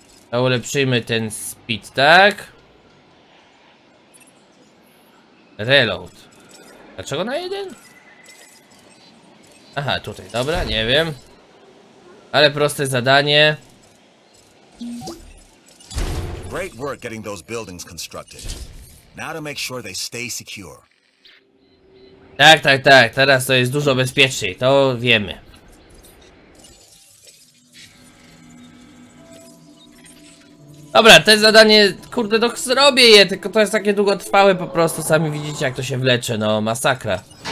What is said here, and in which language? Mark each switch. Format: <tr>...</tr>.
<pl>To ulepszymy ten speed, tak? Reload. Dlaczego na jeden? Aha, tutaj, dobra, nie wiem. Ale proste zadanie.</pl> <en>Great work getting those buildings constructed. Now to make sure they stay secure.</en> <pl>Tak, tak, tak. Teraz to jest dużo bezpieczniej, to wiemy. Dobra, to zadanie, kurde, no zrobię je, tylko to jest takie długotrwałe po prostu, sami widzicie jak to się wlecze, no masakra.</pl>